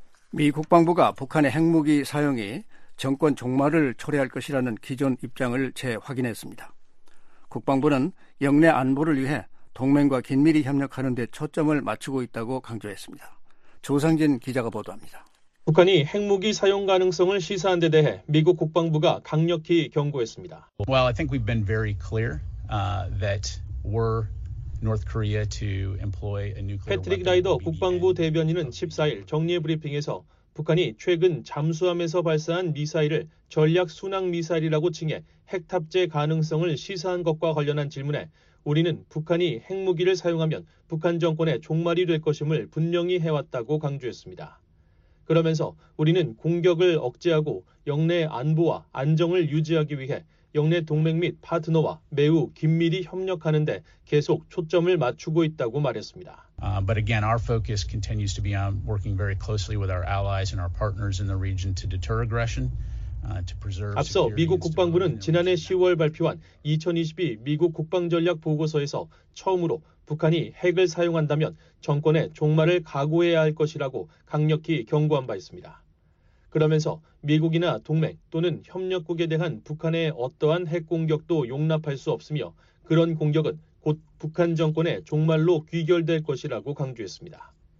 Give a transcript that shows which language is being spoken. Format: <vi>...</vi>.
<ko>미 국방부가 북한의 핵무기 사용이 정권 종말을 초래할 것이라는 기존 입장을 재확인했습니다. 국방부는 영내 안보를 위해 동맹과 긴밀히 협력하는 데 초점을 맞추고 있다고 강조했습니다. 조상진 기자가 보도합니다. 북한이 핵무기 사용 가능성을 시사한 데 대해 미국 국방부가 강력히 경고했습니다.</ko> <en>Well, I think we've been very clear that we're North Korea to employ a nuclear.</en> <ko>패트릭 라이더 국방부 대변인은 14일 정례 브리핑에서 북한이 최근 잠수함에서 발사한 미사일을 전략 순항 미사일이라고 칭해 핵 탑재 가능성을 시사한 것과 관련한 질문에 우리는 북한이 핵무기를 사용하면 북한 정권의 종말이 될 것임을 분명히 해왔다고 강조했습니다. 그러면서 우리는 공격을 억제하고 영내 안보와 안정을 유지하기 위해 영내 동맹 및 파트너와 매우 긴밀히 협력하는 데 계속 초점을 맞추고 있다고 말했습니다.</ko> <en>But again, our focus continues to be on working very closely with our allies and our partners in the region to deter aggression, to preserve.</en> <ko>앞서 미국 국방부는 지난해 10월 발표한 2022 미국 국방전략 보고서에서 처음으로 북한이 핵을 사용한다면 정권의 종말을 각오해야 할 것이라고 강력히 경고한 바 있습니다. 그러면서 미국이나 동맹 또는 협력국에 대한 북한의 어떠한 핵 공격도 용납할 수 없으며 그런 공격은 곧 북한 정권의 종말로 귀결될 것이라고 강조했습니다.</ko>